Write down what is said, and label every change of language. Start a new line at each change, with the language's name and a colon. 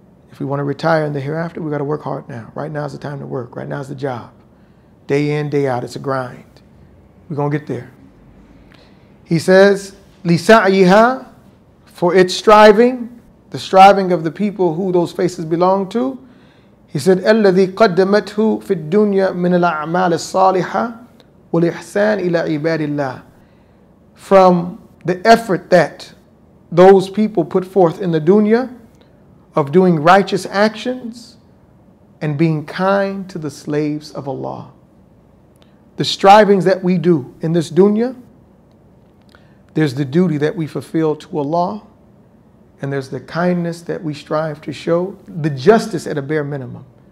English: If we want to retire in the hereafter, we've got to work hard now. Right now is the time to work. Right now is the job. Day in, day out, it's a grind. We're going to get there. He says, لِسَعْيِهَا, for its striving, the striving of the people who those faces belong to. He said,
Arabic: الَّذِي قَدَّمَتْهُ فِي الدُّنْيَا مِنَ الْأَعْمَالِ الصَّالِحَةِ وَالْإِحْسَانِ إِلَىٰ عِبَادِ اللَّهِ.
English: From the effort that those people put forth in the dunya of doing righteous actions and being kind to the slaves of Allah. The strivings that we do in this dunya, there's the duty that we fulfill to Allah, and there's the kindness that we strive to show, the justice at a bare minimum.